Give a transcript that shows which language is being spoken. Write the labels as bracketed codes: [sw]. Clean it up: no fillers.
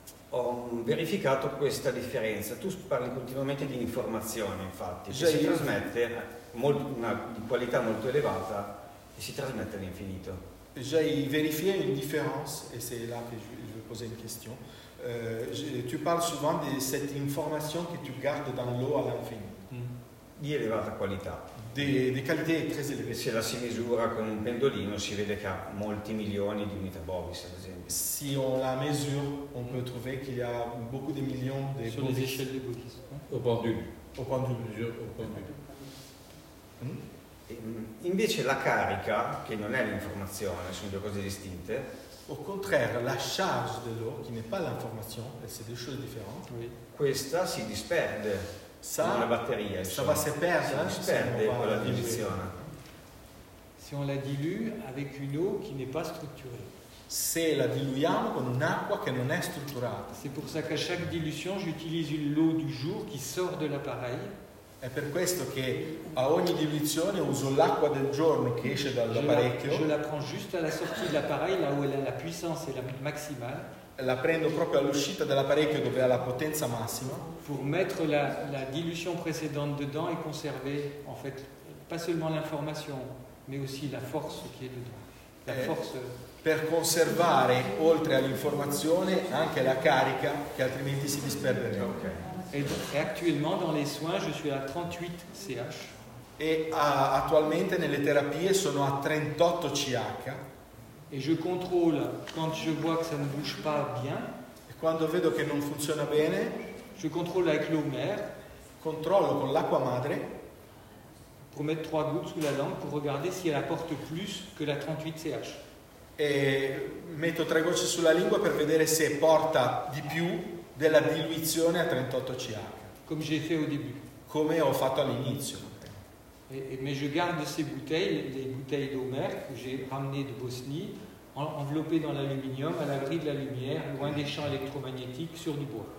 [it] Ho verificato questa differenza. Tu parli continuamente di informazione, infatti, che si trasmette una qualità molto elevata e si trasmette all'infinito. [fr] J'ai vérifié une différence, et c'est là que je veux poser une question. Tu parles souvent de cette information que tu gardes dans l'eau à l'infini. [it] Di elevata qualità. Di qualità [fr] très élevée. [it] Se la si misura con un pendolino, si vede che ha molti milioni di unità bovis, ad esempio. [fr] Si on la mesure, on peut trouver qu'il y a beaucoup de millions de sur les échelles de bovis. Au pendule. Au pendule, mesure, au pendule. [it] Invece la carica, che non è l'informazione, sono due cose distinte. [fr] Au contraire, la charge de l'eau, qui n'est pas l'information, c'est deux choses différentes. Oui. [it] Questa si disperde. [fr] Ça, la batterie, ça va se perdre, [it] si disperde con la diluzione. [fr] Si on la dilue avec une eau qui n'est pas structurée. [it] Se la diluiamo con un'acqua che non è strutturata. [fr] C'est pour ça qu'à chaque dilution, j'utilise l'eau du jour qui sort de l'appareil. [it] È per questo che a ogni diluizione uso l'acqua del giorno che esce dall'apparecchio. [fr] Je la prends juste à la sortie de l'appareil, là où elle a la puissance et la maximale. [it] La prendo proprio all'uscita dell'apparecchio dove ha la potenza massima. [fr] Pour mettre la dilution précédente dedans et conserver, en fait, pas seulement l'information, mais aussi la force qui est dedans. La force. [it] Per conservare, oltre all'informazione, anche la carica che altrimenti si disperderebbe. [fr] Ok. Et actuellement dans les soins, je suis à 38 CH. [it] Et attualmente nelle terapie sono a 38 CH. [fr] Et je contrôle quand je vois que ça ne bouge pas bien. [it] E quando vedo che non funziona bene, [fr] je contrôle avec l'eau mère. [it] Controllo con l'acqua madre. [fr] Pour mettre 3 gouttes sous la langue pour regarder si elle apporte plus que la 38 CH. [it] E metto 3 gocce sulla lingua per vedere se porta di più della diluizione a 38 CH. [fr] Comme j'ai fait au début. [it] Come ho fatto all'inizio. [fr] Mais je garde ces bouteilles, les bouteilles d'eau mère que j'ai ramenées de Bosnie, enveloppées dans l'aluminium, à l'abri de la lumière, loin des champs électromagnétiques, sur du bois.